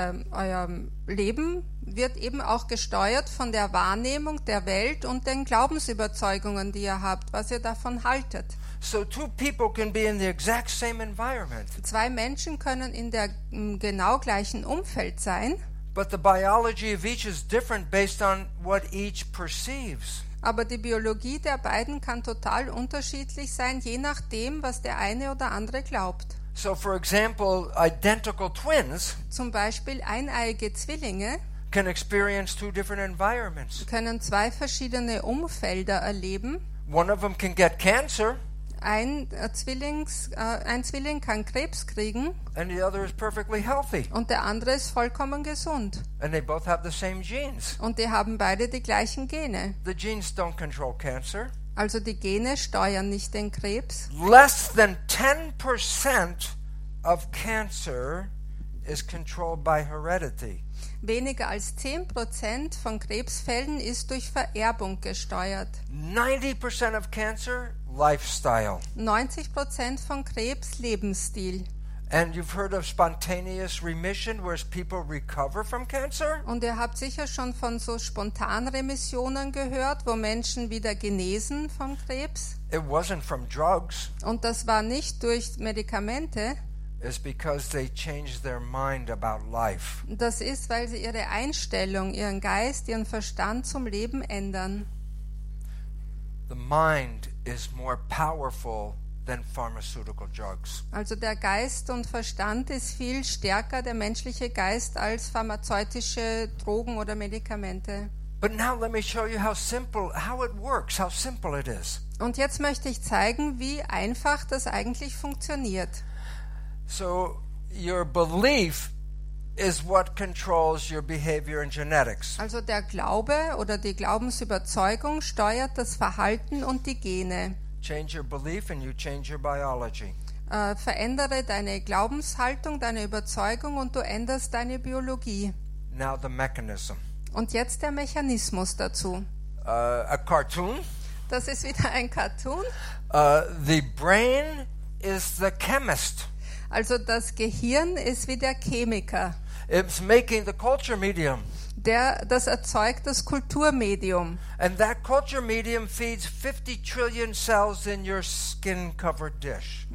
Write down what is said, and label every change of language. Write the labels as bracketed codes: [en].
[de] Euer Leben wird eben auch gesteuert von der Wahrnehmung der Welt und den Glaubensüberzeugungen, die ihr habt, was ihr davon haltet. [en] So two people can be in the exact same environment. [de] Zwei Menschen können in dem genau gleichen Umfeld sein. [en] But the biology of each is different based on what each perceives. [de] Aber die Biologie der beiden kann total unterschiedlich sein, je nachdem, was der eine oder andere glaubt. [en] So for example, identical twins, [de] zum Beispiel eineiige Zwillinge, [en] can experience two different environments. [de] Können zwei verschiedene Umfelder erleben. [en] One of them can get cancer. [de] ein Zwilling kann Krebs kriegen. [en] And the other is perfectly healthy. [de] Und der andere ist vollkommen gesund. [en] And they both have the same genes. [de] Und die haben beide die gleichen Gene. [en] The genes don't control cancer. [de] Also die Gene steuern nicht den Krebs. [en] Less than 10% of cancer is controlled by heredity. [de] Weniger als 10% von Krebsfällen ist durch Vererbung gesteuert. [en] 90% of cancer, lifestyle. [de] 90% von Krebs, Lebensstil. [en] And you've heard of spontaneous remission, where people recover from cancer? [de] Und ihr habt sicher schon von so Spontanremissionen gehört, wo Menschen wieder genesen vom Krebs. [en] It wasn't from drugs. [de] Und das war nicht durch Medikamente. [en] Is because they change their mind about life. [de] Das ist, weil sie ihre Einstellung, ihren Geist, ihren Verstand zum Leben ändern. [en] The mind is more powerful than pharmaceutical drugs. [de] Also der Geist und Verstand ist viel stärker, der menschliche Geist, als pharmazeutische Drogen oder Medikamente. [en] But now let me show you how simple, how it works, how simple it is. [de] Und jetzt möchte ich zeigen, wie einfach das eigentlich funktioniert. [en] So your belief is what controls your behavior and genetics. [de] Also der Glaube oder die Glaubensüberzeugung steuert das Verhalten und die Gene. [en] Change your belief and you change your biology. [de] Verändere deine Glaubenshaltung, deine Überzeugung und du änderst deine Biologie. [en] Now the mechanism. [de] Und jetzt der Mechanismus dazu. [en] A cartoon. [de] Das ist wieder ein Cartoon. [en] The brain is the chemist. [de] Also das Gehirn ist wie der Chemiker. [en] It's making the culture medium. [de] Das erzeugt das Kulturmedium. [en] And that culture medium feeds 50 trillion cells in your skin-covered dish.